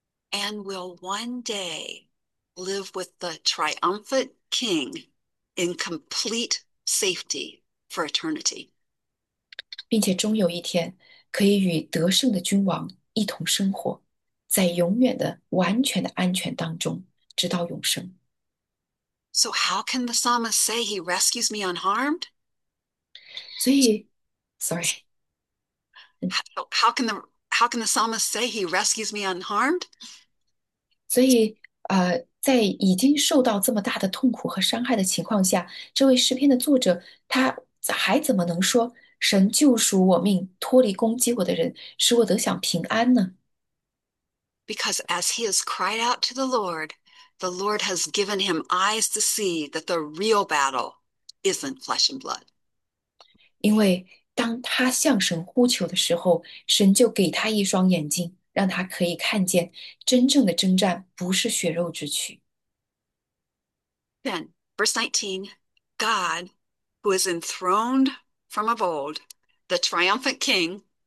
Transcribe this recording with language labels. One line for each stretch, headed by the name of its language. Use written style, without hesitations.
English: And will one day live with the triumphant king in complete safety for eternity.
Chinese: 并且终有一天，可以与得胜的君王一同生活，在永远的、完全的安全当中，直到永生。
English: So, how can the psalmist say he rescues me unharmed?
Chinese: 所以，
English: sorry， How can the psalmist say he rescues me unharmed?
Chinese: 所以，在已经受到这么大的痛苦和伤害的情况下，这位诗篇的作者，他还怎么能说？神救赎我命，脱离攻击我的人，使我得享平安呢？
English: Because as he has cried out to the Lord, the Lord has given him eyes to see that the real battle isn't flesh and blood.
Chinese: 因为当他向神呼求的时候，神就给他一双眼睛，让他可以看见真正的征战不是血肉之躯。
English: Then, verse 19, God, who is enthroned from of old, the triumphant king.